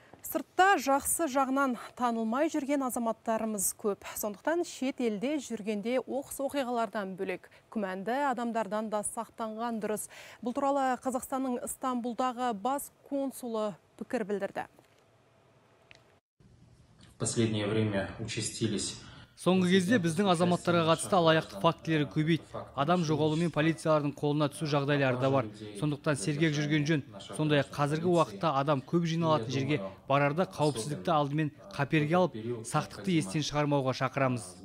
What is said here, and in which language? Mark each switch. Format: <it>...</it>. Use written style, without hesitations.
<kk>Сыртта жақсы жағынан танылмай жүрген азаматтарымыз көп. Сондықтан шет елде жүргенде оқыс оқиғалардан бөлек, күмәнді адамдардан да сақтанған дұрыс. Бұл туралы Қазақстанның Стамбулдағы бас консулы пікір білдірді.</kk> <ru>Последнее время участились.</ru> <kk>Соңғы кезде біздің азаматтарға қатысты алаяқтық фактілері көбейді. Адам жоғалуымен полициялардың қолына түсу жағдайлары да бар. Сондықтан сергек жүрген жөн. Сондай қазіргі уақытта адам көп жиналатын жерге барарда қауіпсіздікті алдымен қаперге алып, сақтықты естен шығармауға шақырамыз.</kk>